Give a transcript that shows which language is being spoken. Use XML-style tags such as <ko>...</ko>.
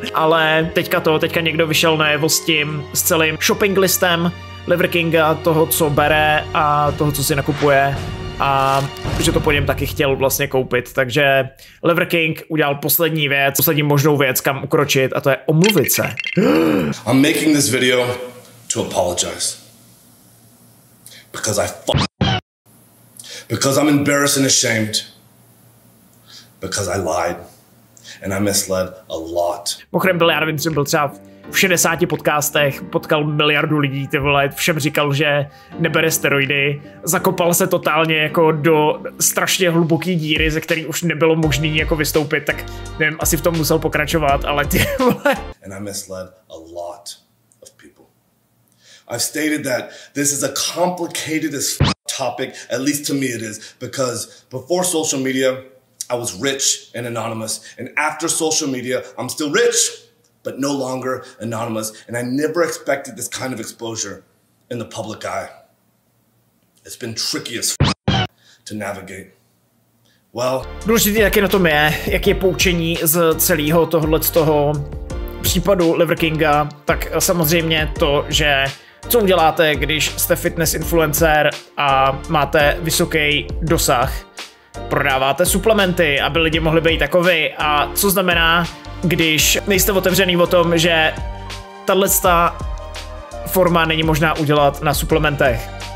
<cs>Ale teďka někdo vyšel najevo s tím, s celým shopping listem Liver Kinga, toho, co bere a toho, co si nakupuje. A že to po něm taky chtěl vlastně koupit. Takže Liver King udělal poslední věc, poslední možnou věc, kam ukročit, a to je omluvit se.</cs> <en>I'm making this video to apologize. Because I'm embarrassed and ashamed. Because I lied. And I misled a lot.</en> <cs>Mochrem byl, já nevím, co byl třeba v 60 podcastech, potkal miliardu lidí, ty vole, všem říkal, že nebere steroidy, zakopal se totálně jako do strašně hluboký díry, ze který už nebylo možný jako vystoupit, tak nevím, asi v tom musel pokračovat, ale ty vole.</cs> <en>And I misled a lot of people. I've stated that this is a complicated as fuck topic, at least to me it is, because before social media, I was rich and anonymous, and after social media, I'm still rich, but no longer anonymous, and I never expected this kind of exposure in the public eye. It's been tricky as f*** to navigate. Well...</en> <cs>Důležitý, jak je na tom je, jak je poučení z celého tohohle z toho případu Liver Kinga, tak samozřejmě to, že co uděláte, když jste fitness influencer a máte vysoký dosah, prodáváte suplementy, aby lidi mohli být takový, a co znamená, když nejste otevřený o tom, že tato forma není možná udělat na suplementech.</cs>